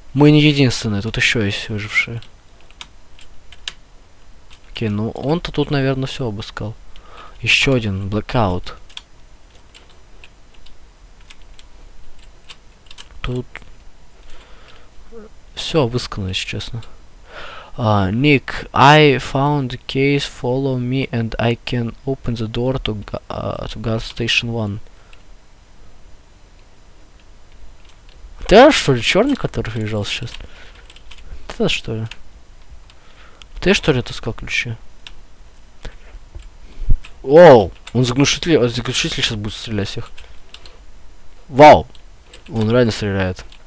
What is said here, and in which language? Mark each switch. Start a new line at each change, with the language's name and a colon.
Russian: Мы не единственные, тут еще есть выжившие. Окей, ну он-то тут, наверное, все обыскал. Еще один, Blackout. Тут все обыскано, если честно.
English: Ник, I found the case, follow me, and I can open the door to guard station 1.
Russian: Ты что ли черный, который приезжал сейчас? Ты что ли? Ты что ли таскал ключи? Оу, он заглушитель сейчас будет стрелять всех. Вау, он реально стреляет.